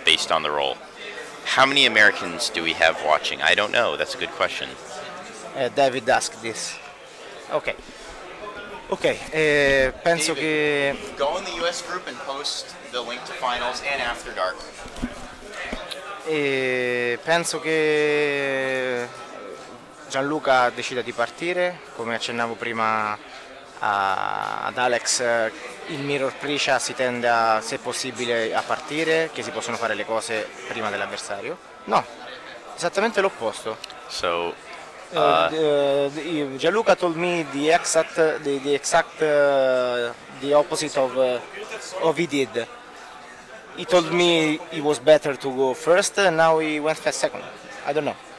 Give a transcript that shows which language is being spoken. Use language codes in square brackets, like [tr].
[en] Based on the role. How many Americans do we have watching? I don't know. That's a good question. David asked this. Okay. Okay. [it] Penso [en] David, [it] che... [en] Go in the US group and post the link to finals and After Dark. [it] Penso che... Gianluca decide di partire, come accennavo prima ad Alex, il Mirror Precious si tende a, se possibile, a partire, che si possono fare le cose prima dell'avversario. No, esattamente l'opposto. [en] So, Gianluca told me the opposite of what he did. He told me it was better to go first, and now he went for second. I don't know.